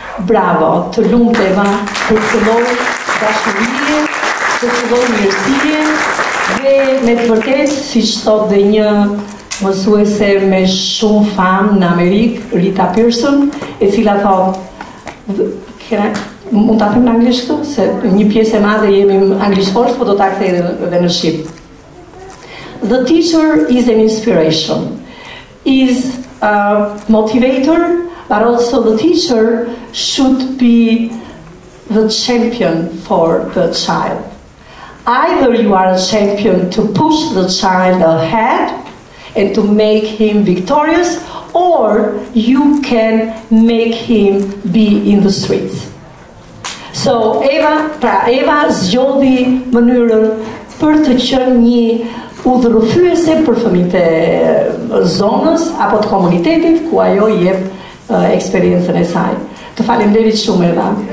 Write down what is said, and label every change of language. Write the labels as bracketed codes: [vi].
[sq] Bravo, të lumt Eva, për të lloj dashurie, të lloj mirësie, dhe me të vërtetë, siç thotë dhe një mësuese me shumë famë në Amerikë, Rita Pearson, e cila thotë, mund të them në anglisht këtu, se një pjesë e madhe jemi në anglisht forë, po do të akthej dhe në Shqipë. [en] The teacher is an inspiration, is a motivator, but also the teacher should be the champion for the child. Either you are a champion to push the child ahead and to make him victorious, or you can make him be in the streets. [sq] So Eva zgjodhi mënyrën për të qenë një udhërrëfyese për fëmijët e zonës apo të komunitetit ku ajo i jep eksperiencën e saj. Të faleminderit shumë Eva.